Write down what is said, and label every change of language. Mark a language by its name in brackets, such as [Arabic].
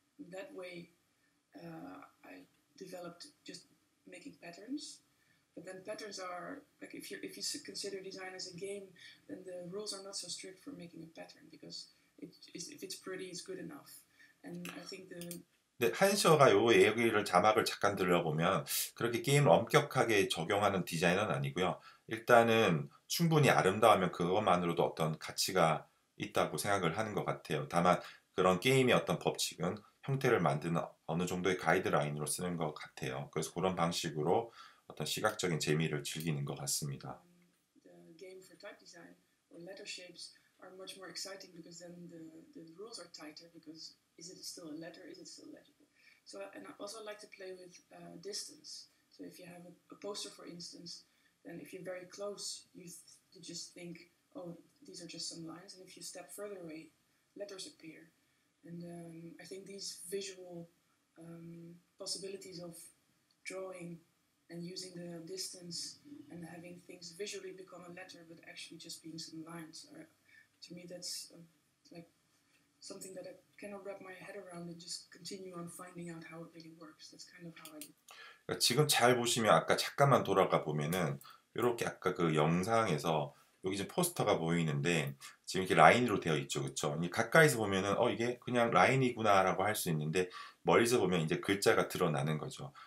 [English] And that way, I developed just making patterns. But then patterns are like if you consider design as a game, then the rules are not so strict for making a pattern because if it's pretty, it's good enough. And I think the [Korean] 근데 한셔가 요 얘기를 자막을 잠깐 들려보면 그렇게 게임을 엄격하게 적용하는 디자이너는 아니고요. 일단은 충분히 아름다우면 그것만으로도 어떤 가치가 있다고 생각을 하는 것 같아요. 다만 그런 게임의 어떤 법칙은 형태를 만드는 어느 정도의 가이드라인으로 쓰는 것 같아요. 그래서 그런 방식으로 어떤 시각적인 재미를 즐기는 것 같습니다. [English] Game for type design or letter shapes are much more exciting because then the rules are tighter because is it still a letter? Is it still legible? So, and I also like to play with distance. So if you have a poster, for instance, then if you're very close, you just think, oh, these are just some lines. And if you step further away, letters appear. And I think these visual possibilities of drawing and using the distance and having things visually become a letter, but actually just being some lines, are, to me, that's like something that I cannot wrap my head around and just continue on finding out how it really works. That's kind of how I do. [Korean] 지금 잘 보시면 아까 잠깐만 돌아가 보면은 이렇게 아까 그 영상에서 여기 지금 포스터가 보이는데 지금 이렇게 라인으로 되어 있죠, 그렇죠? 가까이서 보면은 이게 그냥 라인이구나라고 할 수 있는데 멀리서 보면 이제 글자가 드러나는 거죠.